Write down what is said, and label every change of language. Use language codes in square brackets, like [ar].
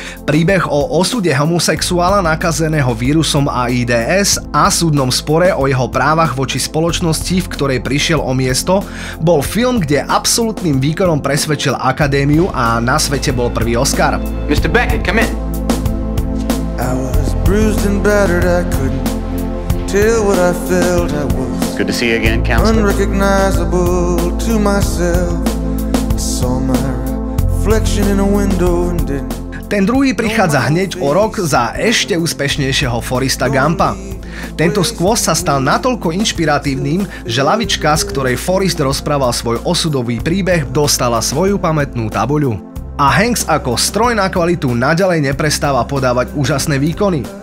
[sk] Príbeh o osude homosexuála nakazeného vírusom AIDS a súdnom spore o jeho právach voči spoločnosti, v ktorej prišiel o miesto, bol film, kde absolútnym výkonom presvedčil akadémiu a na svete bol prvý Oscar. [en] Mr. Beckett, come in. I was bruised and battered, I couldn't tell what I felt I was. Good to see you again, Counselor. Unrecognizable to myself. I saw my reflection in a window and didn't. [sk] Ten druhý prichádza hneď o rok za ešte úspešnejšieho Forresta Gumpa. Tento skvost sa stal natoľko inšpiratívnym, že lavička, z ktorej Forrest rozprával svoj osudový príbeh, dostala svoju pamätnú tabuľu. A Hanks ako stroj na kvalitu naďalej neprestáva podávať úžasné výkony.